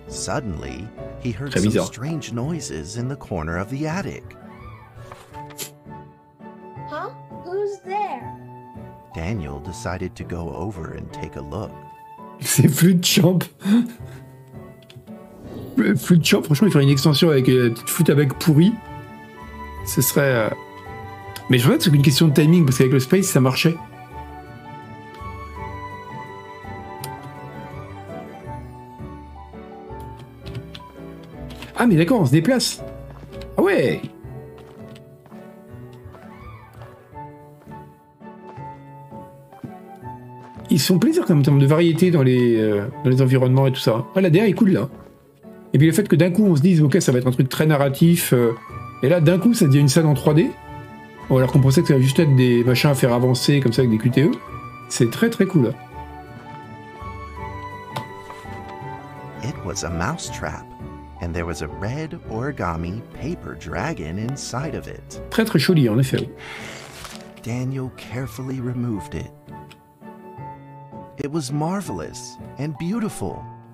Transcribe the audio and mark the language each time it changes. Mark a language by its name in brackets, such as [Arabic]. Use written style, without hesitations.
[English] Suddenly, he heard some strange noises in the corner of the attic. Huh? Who's there? Daniel decided to go over and take a look. [French] C'est Flûte Champ. Flûte Champ, franchement, il ferait une extension avec une petite flûte avec pourri. Ce serait... Mais je pense que c'est une question de timing, parce qu'avec le Space, ça marchait. Ah, mais d'accord, on se déplace. Ah ouais. Ils font plaisir, quand même, en termes de variété dans les environnements et tout ça. Ah, la DA est cool, là. Et puis le fait que d'un coup, on se dise, ok, ça va être un truc très narratif... Et là, d'un coup, ça devient une scène en 3D. Alors qu'on pensait que ça allait juste être des machins à faire avancer, comme ça, avec des QTE. C'est très très cool. [English] It was a mouse trap, and there was a red origami paper dragon inside of it. [French] Très très joli, en effet. [English] Daniel carefully removed it. It was marvelous and beautiful.